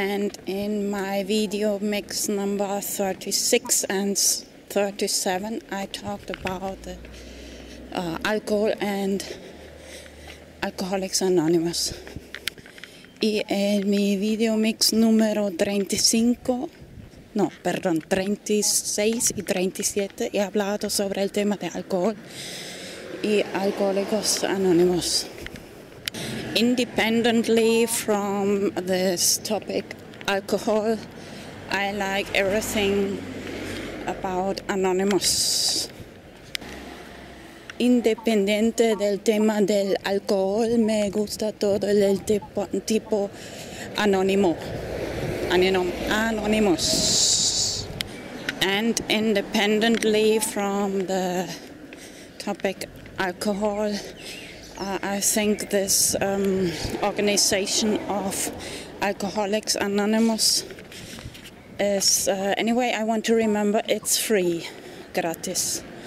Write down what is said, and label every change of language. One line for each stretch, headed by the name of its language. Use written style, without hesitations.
English: And in my video mix number 36 and 37, I talked about alcohol and Alcoholics Anonymous.
Spanish: Y en mi video mix número 35, no, perdón, 36 y 37, he hablado sobre el tema de alcohol y Alcohólicos Anónimos.
English: Independently from this topic, alcohol, I like everything about Anonymous.
Spanish: Independiente del tema del alcohol, me gusta todo el tipo anónimo.
English: Anonymous. And independently from the topic alcohol, I think this organization of Alcoholics Anonymous is, anyway, I want to remember it's free,
Spanish: gratis.